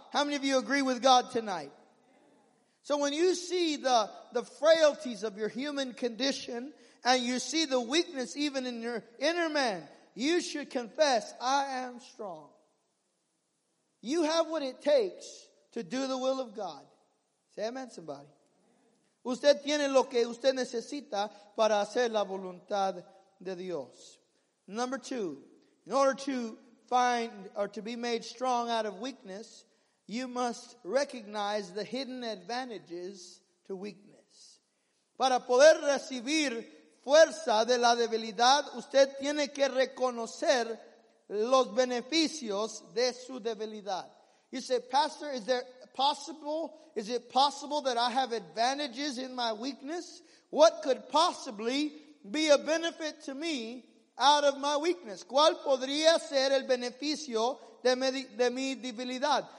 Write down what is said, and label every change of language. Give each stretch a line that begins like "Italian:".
English: How many of you agree with God tonight? So when you see the frailties of your human condition and you see the weakness even in your inner man, you should confess, I am strong. You have what it takes to do the will of God. Say amen, somebody.
Spanish: Usted tiene lo que usted necesita para hacer la voluntad de Dios.
English: Number two, in order to find or to be made strong out of weakness, you must recognize the hidden advantages to weakness.
Spanish: Para poder recibir fuerza de la debilidad, usted tiene que reconocer los beneficios de su debilidad.
English: You say, Pastor, is it possible that I have advantages in my weakness? What could possibly be a benefit to me out of my weakness?
Spanish: ¿Cuál podría ser el beneficio de mi debilidad?